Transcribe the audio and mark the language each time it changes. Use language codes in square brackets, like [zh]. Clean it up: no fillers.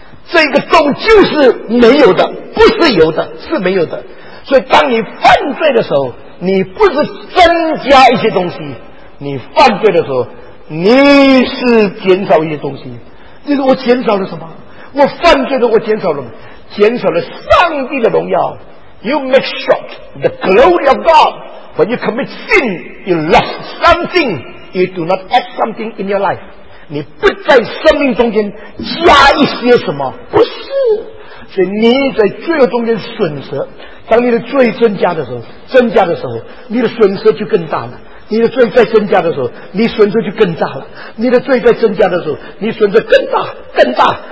[zh] 这个动就是没有的，不是有的，是没有的。所以当你犯罪的时候，你不是增加一些东西，你犯罪的时候你是减少一些东西。你说我减少了什么？我犯罪的我减少了，减少了上帝的荣耀。 [en] You make short the glory of God. When you commit sin, you lost something. You do not add something in your life. [zh] 你不在生命中间加一些什么，不是。所以你在罪恶中间损失，当你的罪增加的时候，增加的时候你的损失就更大了。你的罪在增加的时候，你损失就更大了。你的罪在增加的时候，你损失更大更大。